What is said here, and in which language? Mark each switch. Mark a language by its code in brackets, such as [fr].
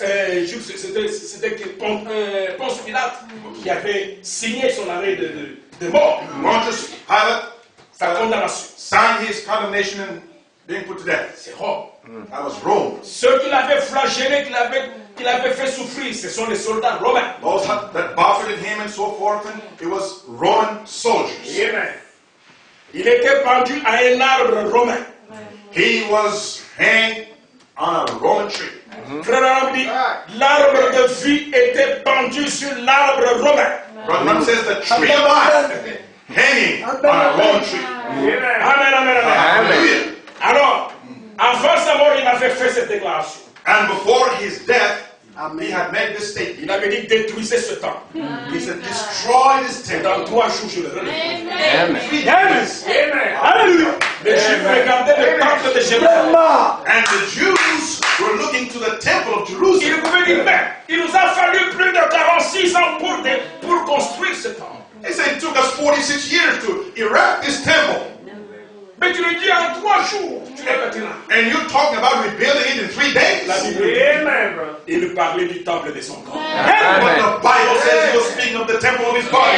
[fr] C'était Ponce Pilate qui avait signé son arrêt de mort. [en] Pontius Pilate, [fr] sa condamnation. [en] Signed his condemnation and being put to death. [fr] C'est Rome. [en] Mm. That was Rome. [fr] Ceux qui l'avaient flagellé, qui l'avaient fait souffrir, ce sont les soldats romains. [en] Those that buffeted him and so forth, and it was Roman soldiers. [fr] Amen. Il était pendu à un arbre romain. [en] He was hanged on a Roman tree. [fr] Frère Abraham dit, l'arbre de vie était pendu sur l'arbre romain. [en] Brother Abraham says the tree of life hanging on a Roman tree. Amen, amen, amen. Hallelujah. [fr] Alors, avant sa mort, il avait fait cette déclaration. [en] And before his death, he had made this statement. [fr] Il avait dit, détruisez ce temple. [en] He said, destroy this temple. [fr] Dans trois jours, je le relève. [en] Amen. Amen. Hallelujah. [fr] Les Juifs regardaient le temple de Jérusalem. [en] And the Jews were looking to the temple of Jerusalem. [fr] Ils pouvaient dire, mais il nous a fallu plus de 46 ans pour construire ce temple. [en] He said, it took us 46 years to erect this temple. [fr] Mais tu le dis en trois jours, tu l'as maintenant. [en] And you're talking about rebuilding it in 3 days? [fr] Amen. Il parlait du temple de son corps. [en] Amen. But the Bible says he was speaking of the temple of his body.